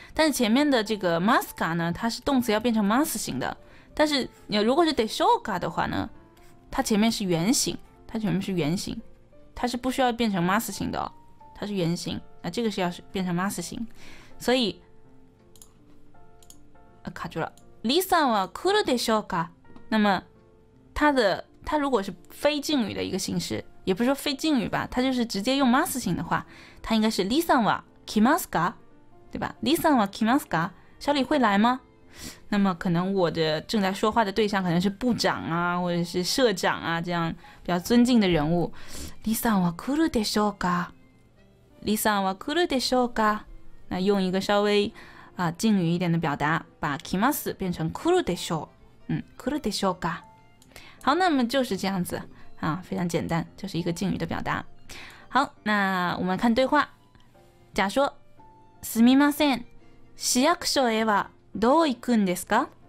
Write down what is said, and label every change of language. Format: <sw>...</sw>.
<zh>但是前面的这个 maska 呢，它是动词要变成 mas 型的，但是如果是 deshoka 的话呢，它前面是原型，它是不需要变成 mas 型的，它是原型，这个是要变成 mas 型，所以卡住了。</zh> <ja>リさんは来るでしょうか？</ja> <zh>那么它如果是非敬语的一个形式，也不是说非敬语吧，它就是直接用 mas 型的话，它应该是</zh> <ja>リさんは来ますか，</ja> <zh>对吧？</zh> <ja>リさんは来ますか，</ja> <zh>小李会来吗？那么可能我的正在说话的对象可能是部长啊，或者是社长啊，这样比较尊敬的人物。</zh> <ja>リさんは来るでしょうか？リさんは来るでしょうか？</ja> <zh>那用一个稍微敬语一点的表达，把来ます变成来るでしょう。</zh> <ja>来るでしょうか。</ja> <zh>好，那么就是这样子啊，非常简单，就是一个敬语的表达。好，那我们看对话。假说，</zh> <ja>すみません、市役所へはどう行くんですか？</ja>